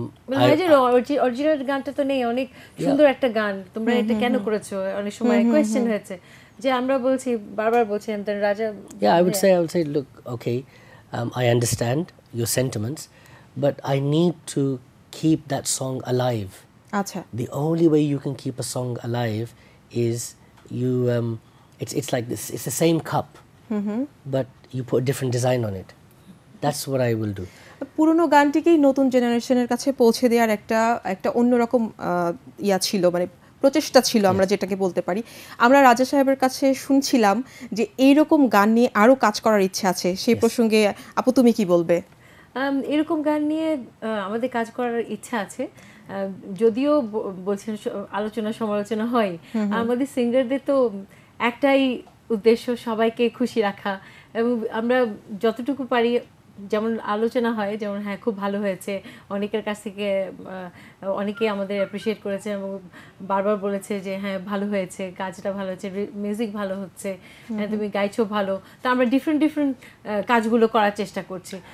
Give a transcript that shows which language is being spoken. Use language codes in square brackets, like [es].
[bn] Original গানটা তো নেই, অনেক সুন্দর একটা গান, তোমরা এটা কেন করেছো, অনেক সময় কোয়েশ্চেন হয়েছে যে আমরা বলছি বারবার বলছি এন্ড রাজা, [en] Yeah I would say, I would say look okay I understand your sentiments but I need to keep that song alive. Acha. The only way you can keep a song alive is you it's like this, it's the same cup but you put a different design on it, that's what I will do. [bn] পুরনো গানটিকেই নতুন জেনারেশনের কাছে পৌঁছে দেওয়ার একটা একটা অন্যরকম ইয়া ছিল, মানে প্রচেষ্টা ছিল আমরা যেটাকে বলতে পারি। আমরা রাজা সাহেবের কাছে শুনছিলাম যে এইরকম গান নিয়ে আরও কাজ করার ইচ্ছে আছে, সেই প্রসঙ্গে আপু তুমি কি বলবে? এরকম গান নিয়ে আমাদের কাজ করার ইচ্ছা আছে, যদিও বলছেন আলোচনা সমালোচনা হয়, আমাদের সিঙ্গারদের তো একটাই উদ্দেশ্য সবাইকে খুশি রাখা, এবং আমরা যতটুকু পারি যেমন আলোচনা হয় যেমন হ্যাঁ খুব ভালো হয়েছে, অনেকের কাছ থেকে অনেকে আমাদের অ্যাপ্রিসিয়েট করেছে এবং বারবার বলেছে যে হ্যাঁ ভালো হয়েছে, কাজটা ভালো হয়েছে, মিউজিক ভালো হচ্ছে, হ্যাঁ তুমি গাইছো ভালো, তো আমরা ডিফারেন্ট ডিফারেন্ট কাজগুলো করার চেষ্টা করছি।